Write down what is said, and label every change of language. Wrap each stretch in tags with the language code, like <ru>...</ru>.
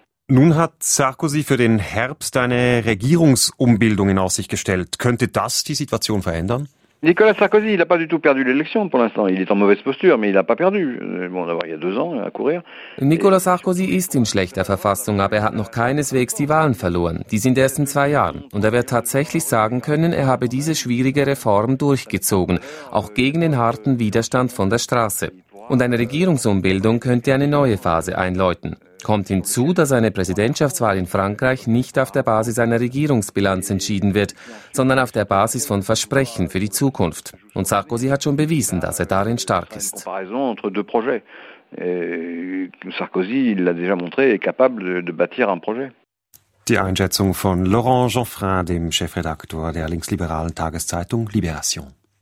<de>Nun hat Sarkozy für den Herbst eine Regierungsumbildung in Aussicht gestellt. Könnte das die Situation verändern?</de> <fr>Nicolas Sarkozy, il n'a pas du tout perdu l'élection pour l'instant. Il est en mauvaise posture, mais il n'a pas perdu. Bon, d'abord, il y a deux ans à courir.</fr> <de>Nicolas Sarkozy ist in schlechter Verfassung, aber er hat noch keineswegs die Wahlen verloren. Die sind erst in zwei Jahren. Und er wird tatsächlich sagen können, er habe diese schwierige Reform durchgezogen, auch gegen den harten Widerstand von der Straße. Und eine Regierungsumbildung könnte eine neue Phase einläuten. Kommt hinzu, dass eine Präsidentschaftswahl in Frankreich nicht auf der Basis einer Regierungsbilanz entschieden wird, sondern auf der Basis von Versprechen für die Zukunft. Und Sarkozy hat schon bewiesen, dass er darin stark ist.</de> <fr>Sarkozy l'a déjà montré, est capable de bâtir un projet.</fr> <de>Die Einschätzung von Laurent Geoffrin, dem Chefredaktor der linksliberalen Tageszeitung Libération.</de>